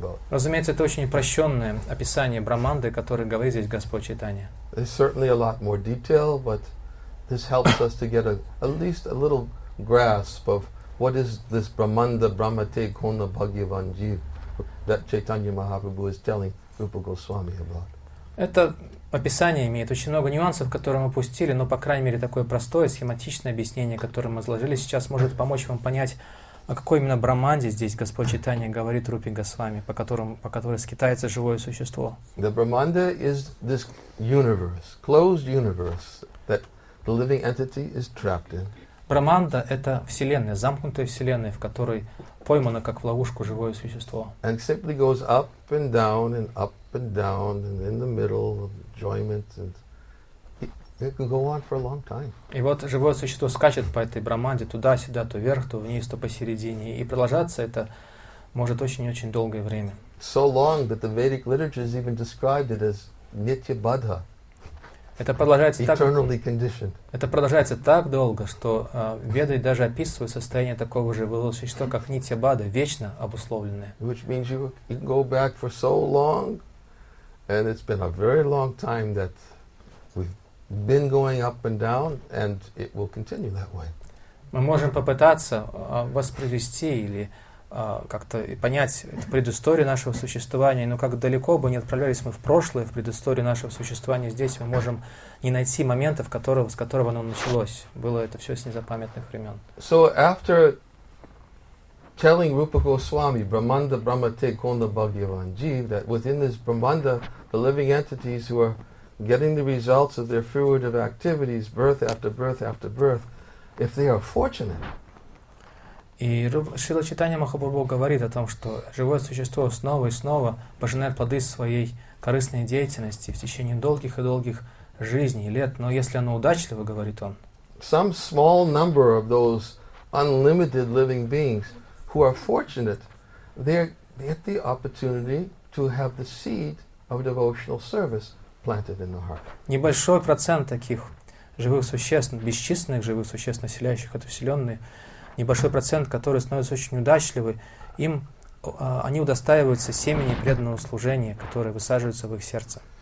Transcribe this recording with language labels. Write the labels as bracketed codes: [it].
[ru] Разумеется, это очень упрощенное описание Брахманды, которое говорит здесь Господь Чайтанья. [en] There's certainly a lot more detail, but this helps us to get at least a little grasp of what is this [sa] Brahmanda Brahmate Kona Bhagyavan Jeev [en] that Chaitanya Mahaprabhu is telling Rupa Goswami about. [ru] Это описание имеет очень много нюансов, которые мы упустили, но, по крайней мере, такое простое, схематичное объяснение, которое мы изложили сейчас, может помочь вам понять, о какой именно Брахманде здесь Господь Чайтанья говорит Рупи Госвами, по которой скитается живое существо. [en] The Brahmanda is this universe, closed universe, that the living entity is trapped in. [ru] Брахманда — это вселенная, замкнутая вселенная, в которой поймано, как в ловушку, живое существо. [en] And simply goes up and down and up and down and in the middle of enjoyment and it can go on for a long time. [ru] И вот живое существо скачет по этой Брахманде туда-сюда, то вверх, то вниз, то посередине, и продолжаться это может очень-очень долгое время. [en] So long that the Vedic literature even described it as Nitya Badha. [ru] Это продолжается так долго, что веды даже описывают состояние такого живого существа, как нитья бада, вечно обусловленное. [en] Which means you can go back for so long, and it's been a very long time that we've been going up and down, and it will continue that way. [ru] Мы можем попытаться воспроизвести или как-то понять предысторию нашего существования, но как далеко бы не отправлялись мы в прошлое, в предысторию нашего существования здесь, мы можем не найти момента, с которого оно началось. Было это все с незапамятных времен. [en] So after telling Rupa Goswami, [sa] Brahmanda Brahmate Kona Bhagyavan Jeev, [en] that within this Brahmanda, the living entities who are getting the results of their fruitive activities, birth after birth after birth, if they are fortunate, [ru] и Шрила Чайтанья Махапрабху говорит о том, что живое существо снова и снова пожинает плоды своей корыстной деятельности в течение долгих и долгих жизней, лет, но если оно удачливо, говорит он. [en] Some small number of those unlimited living beings who are fortunate, they get the opportunity to have the seed of devotional service planted in the heart. [ru] Небольшой процент таких живых существ, бесчисленных живых существ, населяющих эту вселенную, небольшой процент, которые становятся очень удачливы, им они удостаиваются семени преданного служения, которые высаживаются в их сердце.